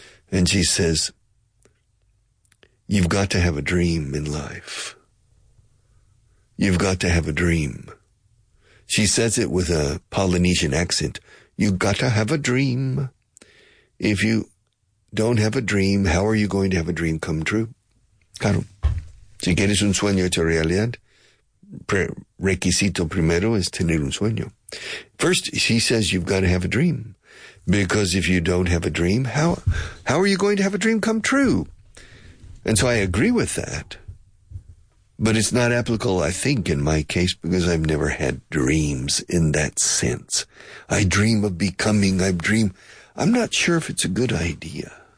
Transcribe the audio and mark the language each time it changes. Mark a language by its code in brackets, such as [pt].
[en] And she says, you've got to have a dream in life. You've got to have a dream. She says it with a Polynesian accent. You've got to have a dream. If you don't have a dream, how are you going to have a dream come true? [es] Claro. Si quieres un sueño hecho realidad, requisito primero es tener un sueño. [en] First, she says you've got to have a dream. Because if you don't have a dream, how are you going to have a dream come true? And so I agree with that. But it's not applicable, I think, in my case, because I've never had dreams in that sense. I dream of becoming, I'm not sure if it's a good idea.